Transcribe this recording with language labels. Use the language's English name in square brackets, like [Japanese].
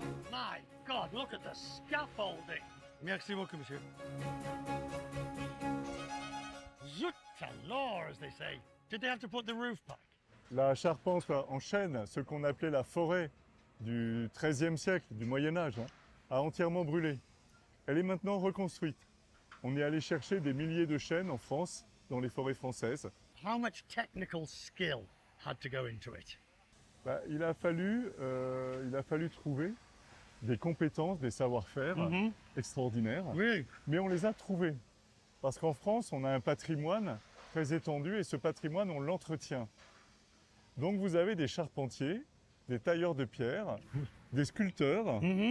[English] My God, look at the scaffolding. [French] Merci beaucoup, monsieur. Zut alors, [English] as they say. Did they have to put the roof back? [French] La charpente en chêne, ce qu'on appelait la forêt du XIIIe siècle, du Moyen-Âge, hein, a entièrement brûlé. Elle est maintenant reconstruite. On est allé chercher des milliers de chênes en France, dans les forêts françaises. [English] How much technical skill had to go into it? [French] Bah, il a fallu trouver des compétences, des savoir-faire extraordinaires. Oui. Mais on les a trouvés. Parce qu'en France, on a un patrimoine très étendu et ce patrimoine, on l'entretient. Donc vous avez des charpentiers, des tailleurs de pierre, des sculpteurs.